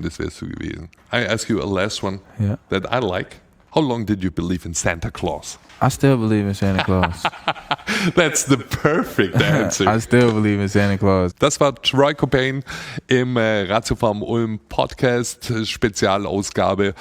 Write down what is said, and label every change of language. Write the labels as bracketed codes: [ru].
[de] Das wär's so gewesen. [en] I ask you a last one that I like. How long did you believe in Santa Claus? I still believe in Santa Claus. That's the perfect answer. I still believe in Santa Claus. [de] Das war Troy Cobain im Ratiofarm Ulm Podcast Spezialausgabe.